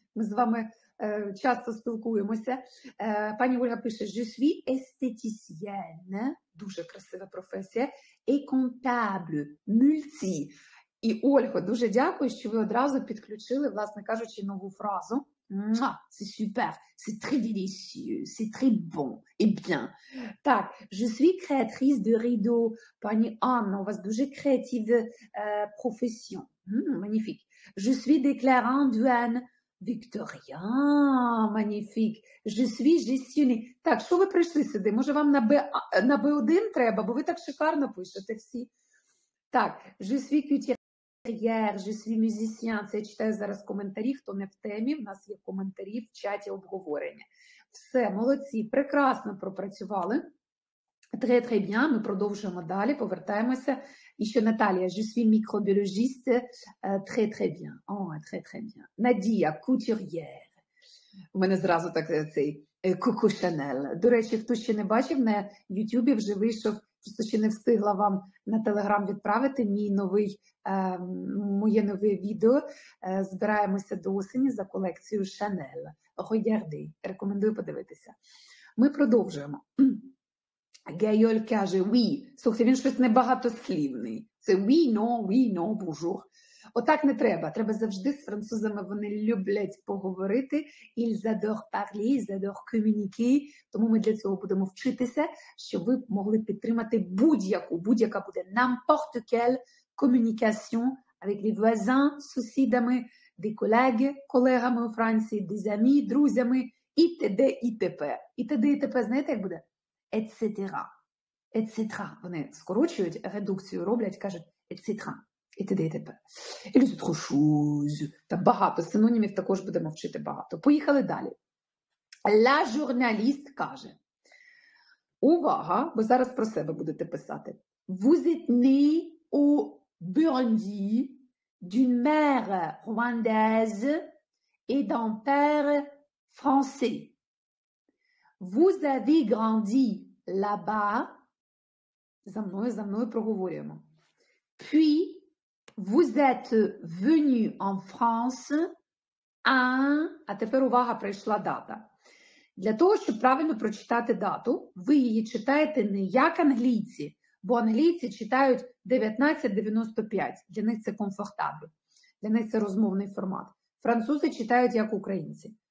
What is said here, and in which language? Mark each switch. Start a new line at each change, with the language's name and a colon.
Ukrainian: Ми з вами часто спілкуємося. Пані Ольга пише,
French: «Je suis esthéticienne»,
Ukrainian: дуже красива професія,
French: «et comptable, multi».
Ukrainian: І, Ольго, дуже дякую, що ви одразу підключили, власне кажучи, нову фразу.
French: Муа, c'est super, c'est très délicieux, c'est très bon, et bien.
Ukrainian: Так,
French: je suis créatrice de rideau.
Ukrainian: Пані Анна, у вас дуже креативна професія.
French: Magnifique. Je suis déclarant douane. Victoria, magnifique. Je suis gestionnée.
Ukrainian: Так, що ви прийшли сюди? Може, вам на B1 треба, бо ви так шикарно пишете всі. Так,
French: je suis cuisinière. Je suis musicien.
Ukrainian: Це я читаю зараз коментарі, хто не в темі, в нас є коментарі в чаті обговорення. Все, молодці, прекрасно пропрацювали.
French: Très bien,
Ukrainian: ми продовжуємо далі, повертаємося. І ще Наталія,
French: je suis microbiologiste. Très bien, très bien.
Ukrainian: Надія, couturière. У мене зразу так цей Coco Chanel. До речі, хто ще не бачив, на YouTube вже вийшов, просто ще не встигла вам на Телеграм відправити мій новий, моє нове відео. Збираємося до осені за колекцію Chanel. Гоярди, рекомендую подивитися. Ми продовжуємо. Гейоль каже, oui. Слухайте, він щось небагатослівний. Це oui, no, bonjour. Отак не треба. Треба завжди з французами, вони люблять поговорити.
French: Ils adorent parler, ils adorent communiquer.
Ukrainian: Тому ми для цього будемо вчитися, щоб ви могли підтримати будь-яку, будь-яка буде
French: n'importe quelle communication avec les voisins,
Ukrainian: сусідами,
French: des collègues,
Ukrainian: колегами у Франції,
French: des amis,
Ukrainian: друзями, і т.д. і т.п. І т.д. і т.п. знаєте, як буде? Et cetera. Et cetera. Вони скорочують, редукцію роблять, кажуть et cetera. І т.д. і т.п. І люди трошузь. Там багато синонімів також будемо вчити багато. Поїхали далі. La журналіст каже. Увага, бо зараз про себе будете писати.
French: Vous êtes né au Burundi d'une mère rwandaise et d'un père français. Vous avez grandi là-bas.
Ukrainian: За мною проговорюємо.
French: Puis vous êtes venu en France en...
Ukrainian: А тепер увага, прийшла дата. Для того, щоб правильно прочитати дату, ви її читаєте не як англійці, бо англійці читають 1995. Для них це комфортабельно. Для них це розмовний формат. Французи читають як українці.